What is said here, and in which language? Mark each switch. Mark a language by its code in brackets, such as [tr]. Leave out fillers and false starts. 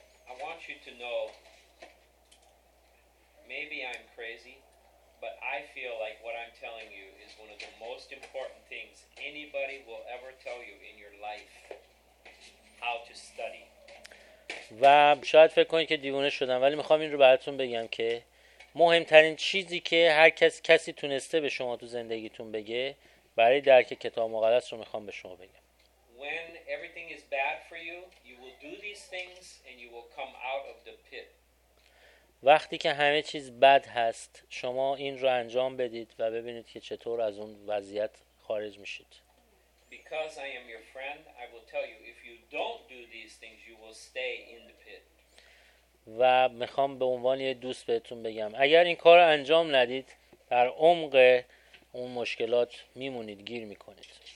[en] I want you to know maybe I'm crazy, but I feel like what I'm telling you is one of the most important things anybody will ever tell you in your life, how to study. [fa] و شاید فکر کنید که دیوونه شدم، ولی میخوام این رو براتون بگم که مهمترین چیزی که هر کسی تونسته به شما تو زندگیتون بگه برای درک کتاب مقدس رو میخوام به شما بگم. [en] When everything is bad for you, you will do these things and you will come out of the pit. [fa] وقتی که همه چیز بد هست، شما این رو انجام بدید و ببینید که چطور از اون وضعیت خارج میشید. [en] Because I am your friend, I will tell you if you don't do these things, you will stay in the pit. [fa] و میخوام به عنوان یه دوست بهتون بگم اگر این کار انجام ندید در عمق اون مشکلات میمونید، گیر میکنید.